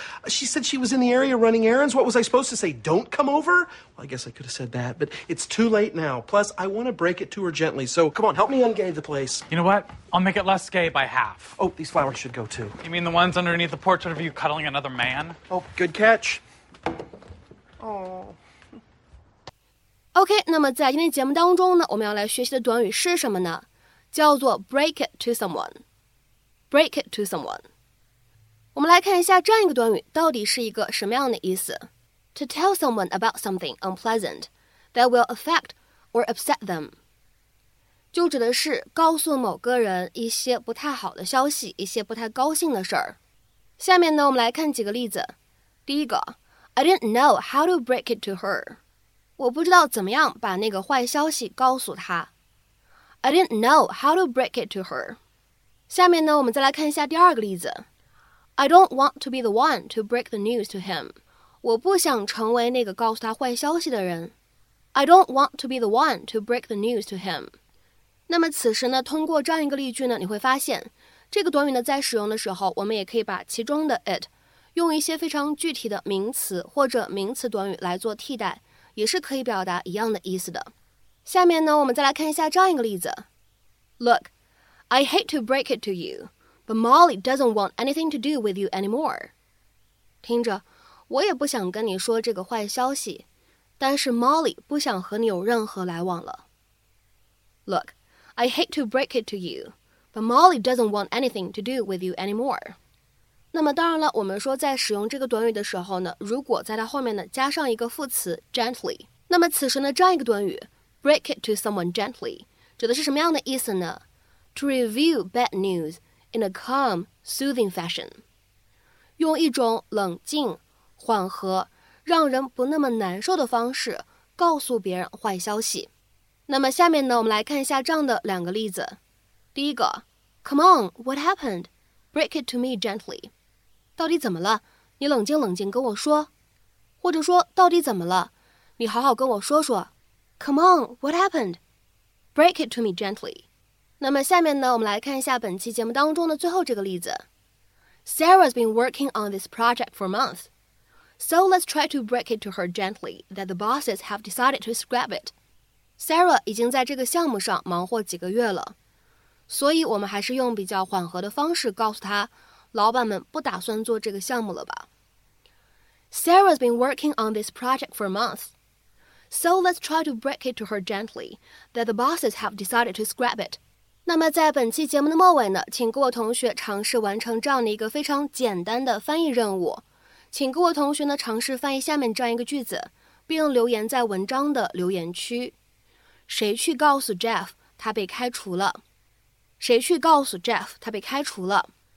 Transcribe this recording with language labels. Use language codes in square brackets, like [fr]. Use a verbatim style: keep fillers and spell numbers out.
[en] She said she was in the area running errands. What was I supposed to say? Don't come over? Well, I guess I could have said that, but it's too late now. Plus, I want to break it to her gently. So, come on, help me ungay the place. You know what? I'll make it less gay by half. Oh, these flowers should go too. You mean the ones underneath the portrait of you cuddling another man? Oh, good catch. Oh. [zh] OK, 那么在今天节目当中呢，我们要来学习的短语是什么呢？叫做 [en] break it to someone. Break it to someone. [zh] 我们来看一下这样一个短语到底是一个什么样的意思。 [en] To tell someone about something unpleasant that will affect or upset them [zh] 就指的是告诉某个人一些不太好的消息，一些不太高兴的事儿。下面呢我们来看几个例子。第一个 [en] I didn't know how to break it to her [zh] 我不知道怎么样把那个坏消息告诉她。 [en] I didn't know how to break it to her [zh] 下面呢我们再来看一下第二个例子。 [en] I don't want to be the one to break the news to him. [zh] 我不想成为那个告诉他坏消息的人。 [en] I don't want to be the one to break the news to him. [zh] 那么此时呢，通过这样一个例句呢，你会发现，这个短语呢，在使用的时候，我们也可以把其中的 it 用一些非常具体的名词或者名词短语来做替代，也是可以表达一样的意思的。下面呢，我们再来看一下这样一个例子。 [en] Look, I hate to break it to you.But Molly doesn't want anything to do with you anymore. [zh] 听着，我也不想跟你说这个坏消息，但是 Molly 不想和你有任何来往了。 [en] Look, I hate to break it to you, but Molly doesn't want anything to do with you anymore. [zh] 那么当然了，我们说在使用这个短语的时候呢，如果在它后面呢加上一个副词 gently， 那么此时呢这样一个短语 break it to someone gently 指的是什么样的意思呢？ [en] To review bad news in a calm, soothing fashion， [zh] 用一种冷静缓和让人不那么难受的方式告诉别人坏消息。那么下面呢我们来看一下这样的两个例子。第一个 [en] Come on, what happened? Break it to me gently， [zh] 到底怎么了？你冷静冷静跟我说。或者说，到底怎么了？你好好跟我说说。 [en] Come on, what happened? Break it to me gently. [zh] 那么下面呢，我们来看一下本期节目当中的最后这个例子。 [en] Sarah's been working on this project for months, so let's try to break it to her gently that the bosses have decided to scrap it. [zh] Sarah 已经在这个项目上忙活几个月了，所以我们还是用比较缓和的方式告诉她老板们不打算做这个项目了吧。 [en] Sarah's been working on this project for months, so let's try to break it to her gently that the bosses have decided to scrap it. [zh] 那么在本期节目的末尾呢，请各位同学尝试完成这样的一个非常简单的翻译任务。请各位同学呢尝试翻译下面这样一个句子，并留言在文章的留言区。谁去告诉 Jeff 他被开除了？谁去告诉 Jeff 他被开除了？